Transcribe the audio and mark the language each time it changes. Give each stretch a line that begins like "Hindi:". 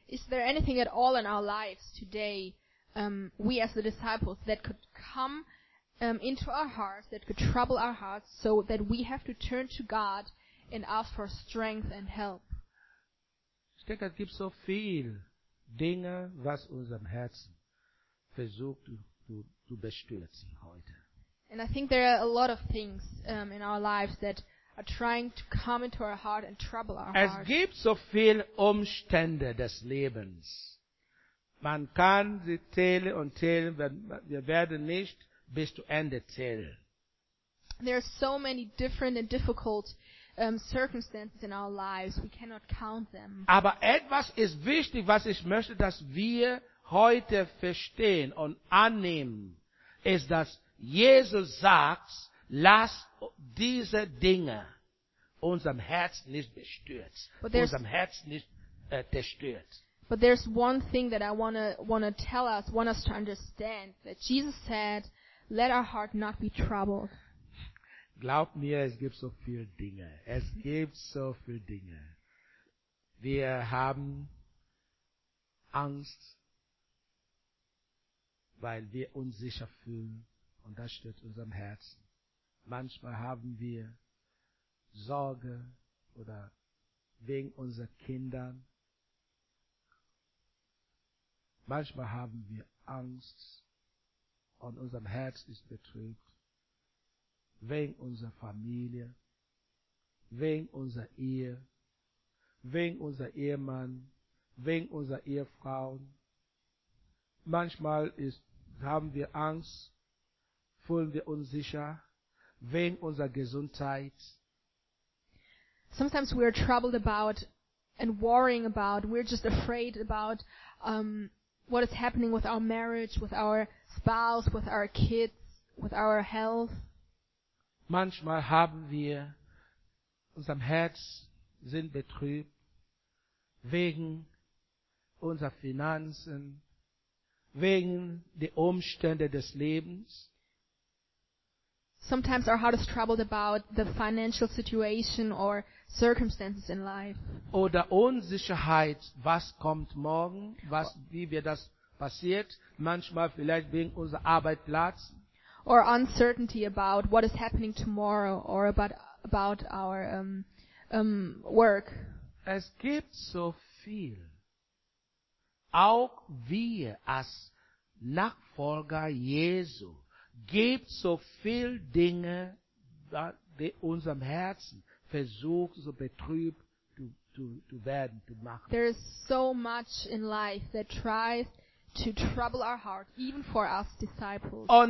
English: Is there anything at all in our lives today, we as the disciples, that could come into our hearts, that could trouble our hearts, so that we have to turn to God and ask for strength and help?
German: Ich denke, es gibt so viele Dinge, was unserem Herzen versucht zu bestürzen heute.
English: And I think there are a lot of things in our lives that are trying to come into our heart and trouble our heart.
German: Es gibt so viele Umstände des Lebens. Man kann sie zählen und zählen, wir werden nicht bis zu Ende zählen.
English: There are so many different and difficult circumstances in our lives. We cannot count them.
German: Aber etwas ist wichtig, was ich möchte, dass wir heute verstehen und annehmen, ist, dass Jesus sagt, lass diese Dinge unserem Herz nicht bestürzt, unserem Herz nicht zerstört.
English: But there's one thing that I wanna tell us, want us to understand, that Jesus said, let our heart not be troubled.
German: Glaub mir, es gibt so viele Dinge. Es gibt so viele Dinge. Wir haben Angst, weil wir unsicher fühlen. Und das stört unserem Herzen. Manchmal haben wir Sorge oder wegen unserer Kindern. Manchmal haben wir Angst und unserem Herz ist betrübt. Wegen unserer Familie, wegen unserer Ehe, wegen unser Ehemann, wegen unserer Ehefrauen. Manchmal haben wir Angst, fühlen wir unsicher, wegen unserer Gesundheit.
English: Sometimes we are troubled about and worrying about, we're just afraid about what is happening with our marriage, with our spouse, with our kids, with our health.
German: Manchmal haben wir, unserem Herz sind betrübt, wegen unserer Finanzen, wegen der Umstände des Lebens.
English: Sometimes our heart is troubled about the financial situation or circumstances in life.
German: Oder Unsicherheit, was kommt morgen, wie wird das passiert, manchmal vielleicht wegen unserer Arbeitsplatz.
English: Or uncertainty about what is happening tomorrow or about our work.
German: Es gibt so viel. Auch wir als Nachfolger Jesu gibt so viel Dinge, die unserem Herzen versucht, so betrübt zu werden, zu machen.
English: There is so much in life that tries to trouble our heart, even for us disciples.